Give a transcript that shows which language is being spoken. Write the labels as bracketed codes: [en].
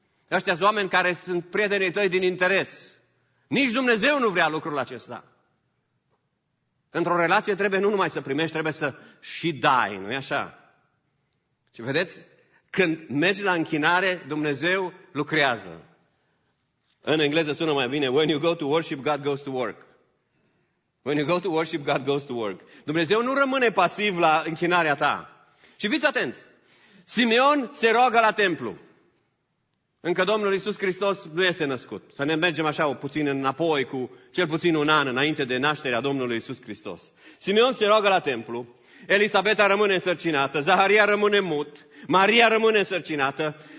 [ro] Ăștia sunt oameni care sunt prietenii tăi din interes. Nici Dumnezeu nu vrea lucrul acesta. Într-o relație trebuie nu numai să primești, trebuie să și dai, nu-i așa? Și vedeți, când mergi la închinare, Dumnezeu lucrează. În engleză sună mai bine, [en] when you go to worship, God goes to work. When you go to worship, God goes to work. [ro] Dumnezeu nu rămâne pasiv la închinarea ta. Și fiți atenți, Simeon se roagă la templu. Încă Domnul Iisus Hristos nu este născut. Să ne mergem așa puțin înapoi cu cel puțin un an înainte de nașterea Domnului Iisus Hristos. Simeon se roagă la templu, Elisabeta rămâne însărcinată, Zaharia rămâne mut, Maria rămâne însărcinată.